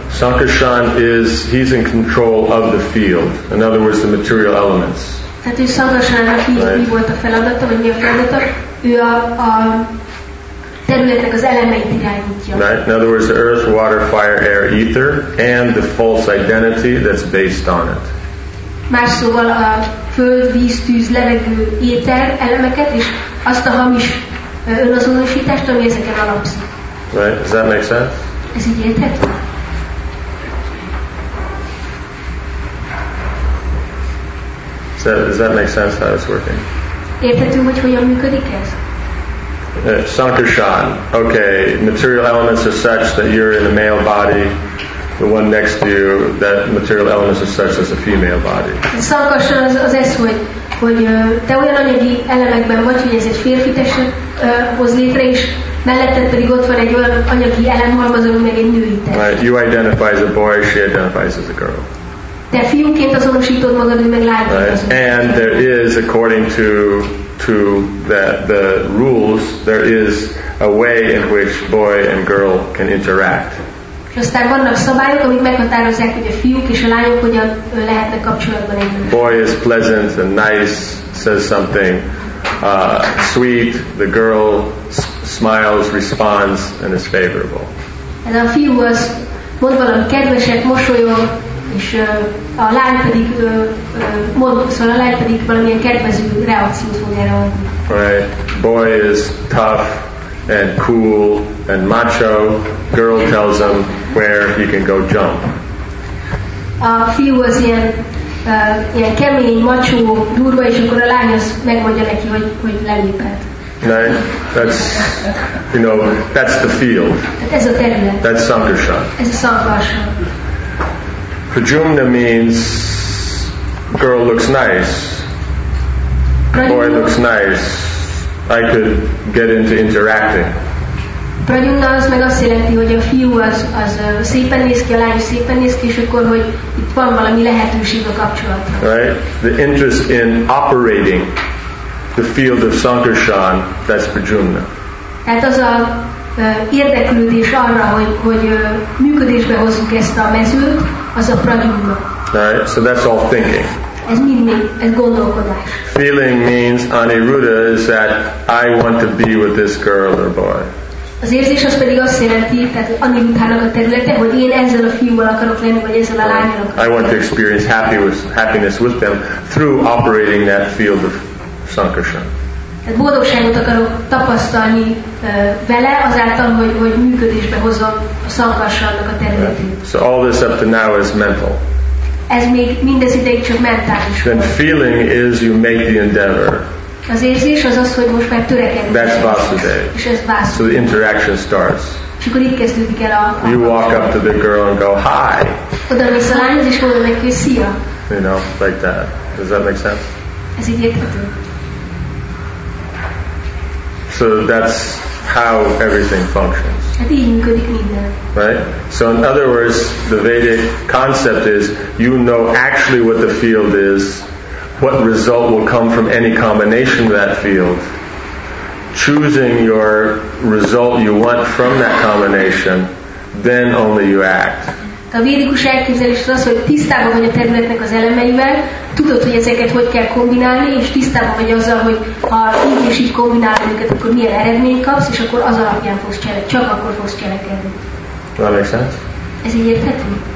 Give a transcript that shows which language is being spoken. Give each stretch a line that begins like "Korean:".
English: Sankarshan is, he's in control of the field. In other words, the material elements.
Hungarian: Tehát ő Sankarshan-nak mi volt a feladata, vagy mi a feladata? Ő a
English: right. In other words, the earth, water, fire, air, ether, and the false identity that's based on it.
Hungarian: Más szóval a föld, víz, tűz, levegő, éter elemeket és azt a hamis önazonosítást, ami ezeken alapszik.
English: Right. Does that make sense?
Hungarian: Ez így érthető?
English: Does that make sense how it's working?
Hungarian: Érthető, hogy hogyan működik ez?
English: Sankarshan. Okay, material elements are such that you're in a male body. The one next to you, that material elements are such as a female body.
Hungarian: Sankarshan az ez, hogy te olyan anyagi elemekben vagy, hogy ez egy férfi testet hoz létre, és melletted pedig ott van egy olyan anyagi elem halmaz, ami meg egy női test.
English: Right, you identify as a boy, she identifies as a girl.
Hungarian: Te fiúként azonosítod magad, ő meg lányként.
English: Right. And there is, according to that the rules, there is a way in which boy and girl can interact.
Hungarian: Aztán vannak szabályok, amik meghatározzák, hogy a fiúk és a lányok hogyan lehetnek kapcsolatban egymással.
English: Boy is pleasant and nice, says something. Sweet, the girl smiles, responds, and is favorable.
Hungarian: Ez a fiú az mond valami kedveset, mosolyog, és a lány pedig szóval a lány pedig valamilyen kedvező reakciót fog erre adni.
English: Right. Boy is tough and cool and macho. Girl tells him where he can go jump.
Hungarian: Fiú az ilyen, ilyen kemény, macsó, durva, és akkor a lány az megmondja neki, hogy, hogy lelépett.
English: Right? That's, you know, that's the field.
Hungarian: Ez a terület.
English: That's Sankarsha.
Hungarian: Ez a Sankarsha.
English: Prajumna means girl looks nice, boy looks nice, I could get into interacting.
Hungarian: Prajumna az meg azt jelenti, hogy a fiú az, az szépen néz ki, a lány szépen néz ki, és akkor, hogy itt van valami lehetőség a kapcsolatban.
English: Right? The interest in operating the field of Sankarsan, that's Prajumna.
Hungarian: Tehát az a érdeklődés arra, hogy, hogy működésbe hozzuk ezt a mezőt, az a Prajumna.
English: Right? So that's all thinking.
Hungarian: Ez mind mind, ez gondolkodás.
English: Feeling means Aniruddha is that I want to be with this girl or boy.
Hungarian: Az érzés az pedig azt jelenti, tehát Aniruddhának a területe, hogy én ezzel a fiúval akarok lenni, vagy ezzel a lányjal akarok.
English: I want to experience happiness with them through operating that field of Sankarsan.
Hungarian: Tehát boldogságot akarok tapasztalni vele azáltal, hogy, hogy működésbe hozom a Sankarsannak a területét.
English: Right. So all this up to now is mental.
Hungarian: Ez még mindez ideig csak mentális.
English: Then feeling is you make the endeavor.
Hungarian: Az érzés az az, hogy most már törekedni.
English: That's Vasudev.
Hungarian: És ez Vasudev.
English: So the interaction starts.
Hungarian: És akkor itt kezdődik el a...
English: You walk up to the girl and go, hi.
Hungarian: Oda mész a lányhoz, és mondod neki, hogy szia.
English: You know, like that. Does that make sense?
Hungarian: Ez így érthető.
English: So that's how everything functions. Right? So in other words, the Vedic concept is you know actually what the field is, what result will come from any combination of that field. Choosing your result you want from that combination, then only you act.
Hungarian: A védikus elképzelés az az, hogy tisztában vagy a területnek az elemeivel, tudod, hogy ezeket hogy kell kombinálni, és tisztában vagy azzal, hogy ha így és így kombinálod őket, akkor milyen eredményt kapsz, és akkor az alapján fogsz cselekedni, csak akkor fogsz cselekedni.
English: That makes sense?
Hungarian: Ez így érthető?